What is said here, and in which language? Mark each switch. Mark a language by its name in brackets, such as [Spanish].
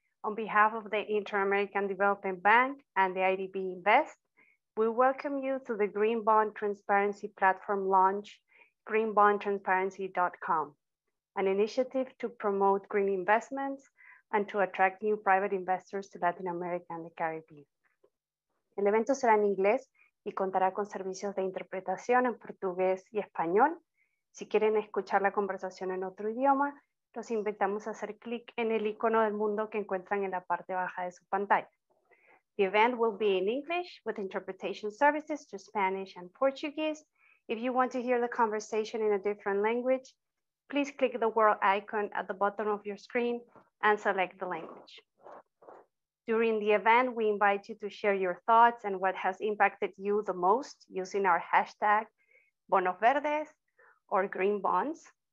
[English] On behalf of the Interamerican Development Bank and the IDB Invest, we welcome you to the Green Bond Transparency Platform launch, greenbondtransparency.com, an initiative to promote green investments and to attract new private investors to Latin America and the Caribbean. [Spanish] El evento será en inglés y contará con servicios de interpretación en portugués y español. Si quieren escuchar la conversación en otro idioma, los invitamos a hacer clic en el icono del mundo que encuentran en la parte baja de su pantalla. [English] The event will be in English with interpretation services to Spanish and Portuguese. If you want to hear the conversation in a different language, please click the world icon at the bottom of your screen and select the language. During the event, we invite you to share your thoughts and what has impacted you the most using our hashtag Bonos Verdes or Green Bonds.